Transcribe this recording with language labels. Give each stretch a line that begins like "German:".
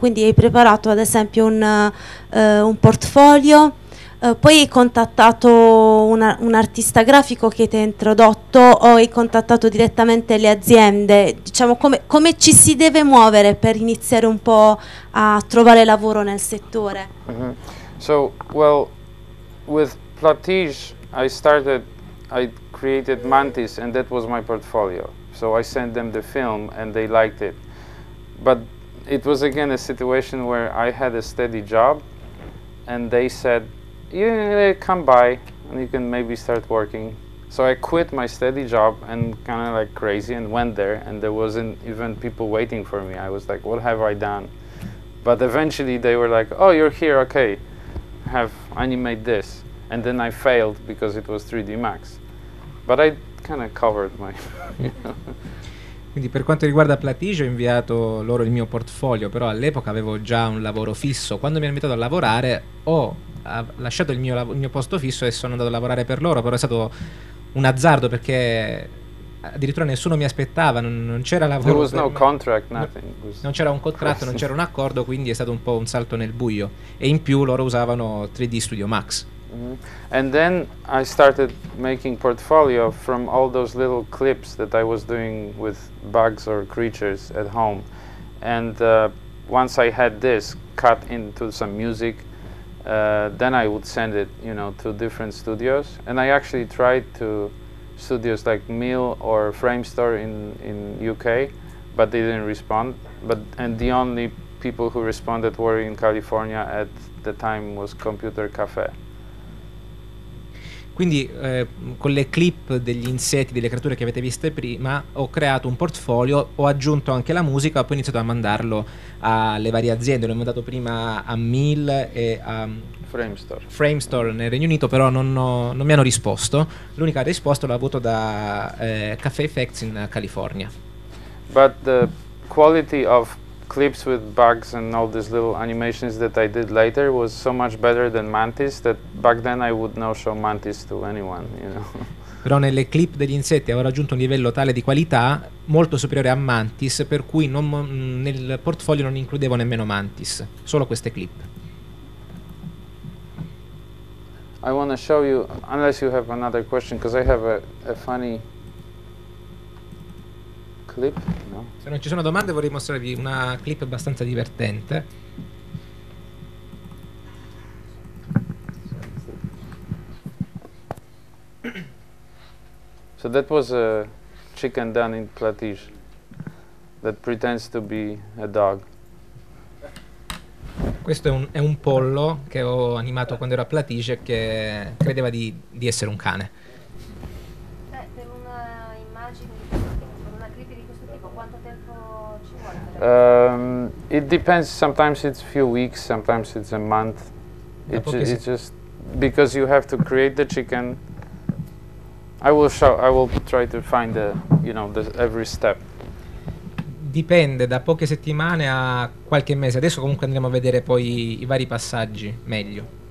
Italian: Quindi hai preparato ad esempio un portfolio? Poi hai contattato un artista grafico che ti ha introdotto o hai contattato direttamente le aziende? Diciamo, come ci si deve muovere per iniziare un po' a trovare lavoro nel settore? Mm-hmm.
English: So, well, with Platige, I created Mantis and that was my portfolio. So I sent them the film and they liked it. But it was again a situation where I had a steady job and they said, yeah, come by and you can maybe start working. So I quit my steady job and kind of like crazy and went there, and there wasn't even people waiting for me. I was like, what have I done? But eventually they were like, oh, you're here, okay, have animate this. And then I failed because it was 3D Max, but I kind of covered my
Italian: Quindi per quanto riguarda Platige ho inviato loro il mio portfolio, però all'epoca avevo già un lavoro fisso. Quando mi hanno invitato a lavorare ho lasciato il mio posto fisso e sono andato a lavorare per loro, però è stato un azzardo perché addirittura nessuno mi aspettava, non c'era lavoro.
English: There was no contract, nothing.
Italian: Non c'era un contratto, non c'era un accordo, quindi è stato un po' un salto nel buio. E in più loro usavano 3D Studio Max. Mm-hmm.
English: And then I started making portfolio from all those little clips that I was doing with bugs or creatures at home. And once I had this cut into some music, then I would send it, you know, to different studios. And I actually tried to studios like Mill or Framestore in UK, but they didn't respond. And the only people who responded were in California at the time was Computer Cafe.
Italian: Quindi con le clip degli insetti, delle creature che avete viste prima, ho creato un portfolio, ho aggiunto anche la musica, poi ho iniziato a mandarlo alle varie aziende. L'ho mandato prima a Mill e a Framestore nel Regno Unito, però non mi hanno risposto. L'unica risposta l'ho avuto da Cafe Effects in California.
English: But the quality of clips with bugs and all these little animations that I did later was so much better than Mantis that back then I would not show Mantis to anyone, you know.
Italian: Però nelle clip degli insetti avevo raggiunto un livello tale di qualità molto superiore a Mantis, per cui non, nel portfolio non includevo nemmeno Mantis, solo queste clip.
English: I want to show you, unless you have another question, because I have a funny clip. No?
Italian: Se non ci sono domande, vorrei mostrarvi una clip abbastanza divertente.
English: So that was a chicken done in platish that pretends to be a dog.
Italian: Questo è un pollo che ho animato quando ero a Platige che credeva di essere un cane. Beh, per una immagine, per una clip di questo tipo, quanto tempo ci vuole?
English: It depends. Sometimes it's a few weeks, sometimes it's a month. It's just because you have to create the chicken. I will try to find the, you know, the every step.
Italian: Dipende da poche settimane a qualche mese. Adesso comunque andremo a vedere poi i vari passaggi meglio.